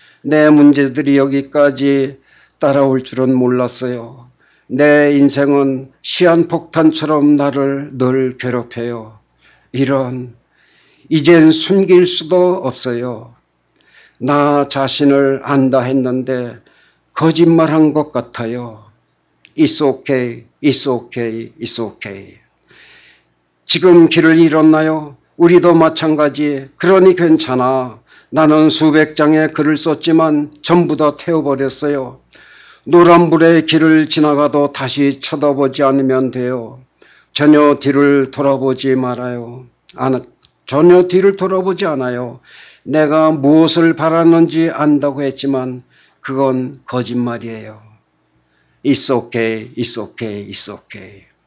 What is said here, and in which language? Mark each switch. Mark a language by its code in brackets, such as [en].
[ko] 내 문제들이 여기까지 따라올 줄은 몰랐어요. 내 인생은 시한폭탄처럼 나를 늘 괴롭혀요. 이런, 이젠 숨길 수도 없어요. 나 자신을 안다 했는데 거짓말한 것 같아요. [en] It's okay, it's okay, it's okay. [ko] 지금 길을 잃었나요? 우리도 마찬가지. 그러니 괜찮아. 나는 수백 장의 글을 썼지만 전부 다 태워버렸어요. 노란불의 길을 지나가도 다시 쳐다보지 않으면 돼요. 전혀 뒤를 돌아보지 말아요. 전혀 뒤를 돌아보지 않아요. 내가 무엇을 바랐는지 안다고 했지만 그건 거짓말이에요. [en] It's okay, it's okay, it's okay.